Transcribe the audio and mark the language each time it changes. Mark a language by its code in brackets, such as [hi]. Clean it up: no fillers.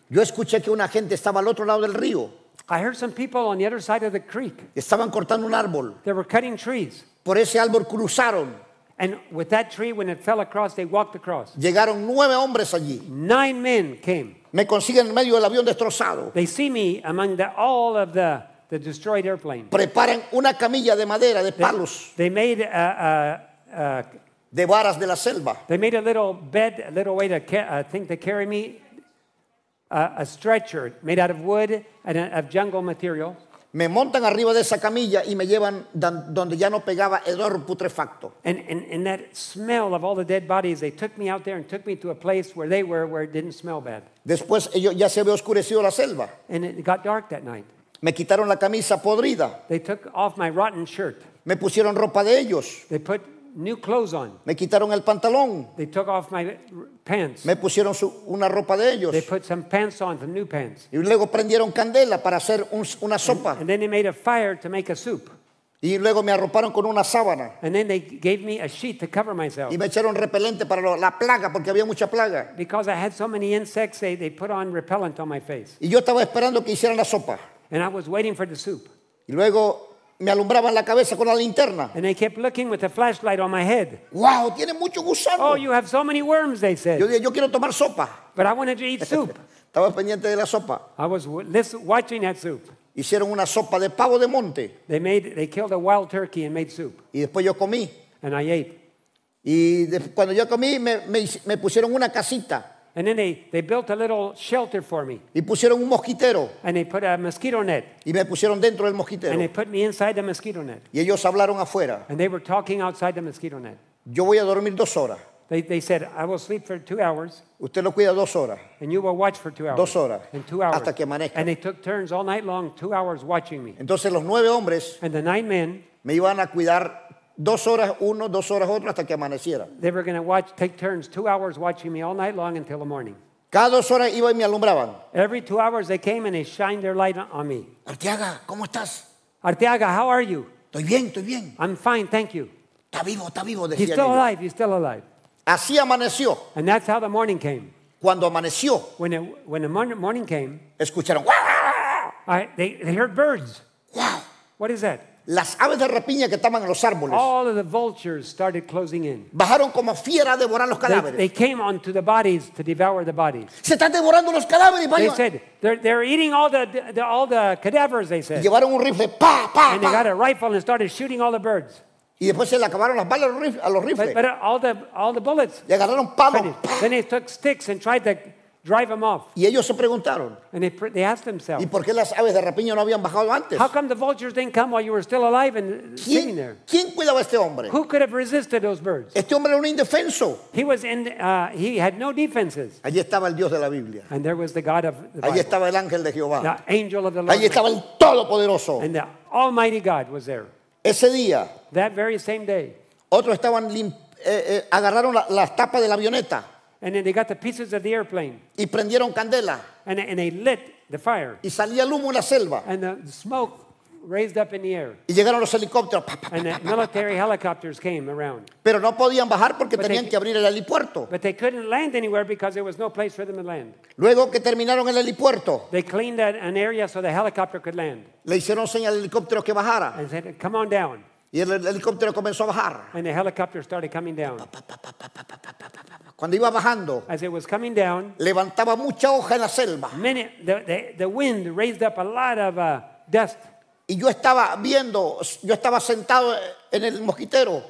[es] Yo escuché que una gente estaba al otro lado del río. [en] I heard some people on the other side of the creek. [es] Estaban cortando un árbol. [en] They were cutting trees. [es] Por ese árbol cruzaron. [en] And with that tree, when it fell across, they walked across. [es] Llegaron 9 hombres allí. [en] 9 men came. [es] Me consiguen en medio del avión destrozado. [en] They see me among all of the destroyed airplane. [es] Preparan una camilla de madera, de palos. [en] They made [es] de varas de la selva. [en] They made a little bed, a little way to think to carry me. A stretcher made out of wood and of jungle material. [es] Me montan arriba de esa camilla y me llevan donde ya no pegaba hedor putrefacto. [en] And that smell of all the dead bodies, they took me out there and took me to a place where they were, where it didn't smell bad. [es] Después ya se había oscurecido la selva. [en] And it got dark that night. [es] Me quitaron la camisa podrida. [en] They took off my rotten shirt. [es] Me pusieron ropa de ellos. [en] They put new clothes on. [es] Me quitaron el pantalón. [en] They took off my pants. [es] Me pusieron una ropa de ellos. [en] They put some pants on, some new pants. [es] Y luego prendieron candela para hacer una sopa. [en] And then they made a fire to make a soup. [es] Y luego me arroparon con una sábana. [en] And then they gave me a sheet to cover myself. [es] Y me echaron repelente para la plaga porque había mucha plaga. [en] Because I had so many insects, they put on repellent on my face. [es] Y yo estaba esperando que hicieran la sopa. [en] And I was waiting for the soup. [es] Y luego me alumbraban la cabeza con la linterna. [en] And they kept looking with a flashlight on my head. [es] Wow, tiene mucho gusano. [en] Oh, you have so many worms, they said. [es] Yo dije, yo quiero tomar sopa. [en] But I wanted to eat soup. [es] Estaba pendiente de la sopa. [en] I was watching that soup. [es] Hicieron una sopa de pavo de monte. [en] They killed a wild turkey and made soup. [es] Y después yo comí. [en] And I ate. [es] Y cuando yo comí, me pusieron una casita. [en] And then they built a little shelter for me. [es] Y pusieron un mosquitero. [en] And they put a mosquito net. [es] Y me pusieron dentro del mosquitero. [en] And they put me inside the mosquito net. [es] Y ellos hablaron afuera. [en] And they were talking outside the mosquito net. [es] Yo voy a dormir 2 horas. [en] They said, I will sleep for 2 hours. [es] Usted lo cuida 2 horas. [en] And you will watch for 2 hours. [es] 2 horas. [en] And 2 hours. [es] Hasta que amanezca. [en] And they took turns all night long, 2 hours watching me. [es] Entonces los 9 hombres. [en] And the 9 men. [es] Me iban a cuidar 2 horas uno, 2 horas otro, hasta que amaneciera. [en] They were going to watch, take turns, 2 hours watching me all night long until the morning. [es] Cada 2 horas iba y me alumbraban. [en] Every 2 hours they came and they shined their light on me. [es] Arteaga, ¿cómo estás? [en] Arteaga, how are you? [es] Estoy bien, estoy bien. [en] I'm fine, thank you. [es] Está vivo, decía. [en] He's still alive, he's still alive. [es] Así amaneció. [en] And that's how the morning came. [es] Cuando amaneció. [en] When the morning came. [es] Escucharon. ¡Wah! [en] They heard birds. Wow. What is that? [es] Las aves de rapiña que estaban en los árboles. [en] All of the vultures started closing in. [es] Bajaron como fiera a devorar los cadáveres. [en] They came onto the bodies to devour the bodies. [es] Se están devorando los cadáveres. [en] They said they're eating all the cadavers. They said. [es] Llevaron un rifle, pa pa. [en] And they got a rifle and started shooting all the birds. [es] Y después se le acabaron las balas a los rifles. [en] But all the bullets. [es] Y agarraron palos. [en] Then they took sticks and tried to drive them off. [es] Y ellos se preguntaron. [en] And they asked themselves. [es] ¿Y por qué las aves de rapiña no habían bajado antes? [en] How come the vultures didn't come while you were still alive and sitting there? [es] ¿Quién cuidaba a este hombre? [en] Who could have resisted those birds? [es] Este hombre era un indefenso. [en] He was in. He had no defenses. [es] Allí estaba el Dios de la Biblia. [en] And there was the God of the Bible. [es] Allí estaba el ángel de Jehová. [en] The angel of the Lord. [es] Allí estaba el Todopoderoso. [en] And the Almighty God was there. [es] Ese día. [en] That very same day. [es] Otros estaban agarraron las tapas de la avioneta. [en] And then they got the pieces of the airplane. [es] Y prendieron candela. [en] And they lit the fire. [es] Y salía el humo en la selva. [en] And the smoke raised up in the air. [es] Y llegaron los helicópteros. Pa, pa, pa, [en] and the military helicopters came around. [es] Pero no podían bajar porque tenían que abrir el helipuerto. [en] But they couldn't land anywhere because there was no place for them to land. [es] Luego que terminaron el helipuerto. [en] They cleaned an area so the helicopter could land. [es] Le hicieron señal al helicóptero que bajara. [en] And said, come on down. [es] Y el helicóptero comenzó a bajar. [en] And the helicopter started coming down. [es] Cuando iba bajando, [en] as it was coming down, [es] levantaba mucha hoja en la selva. [en] The wind raised up a lot of dust. [es] Y yo estaba viendo, yo estaba sentado en el mosquitero.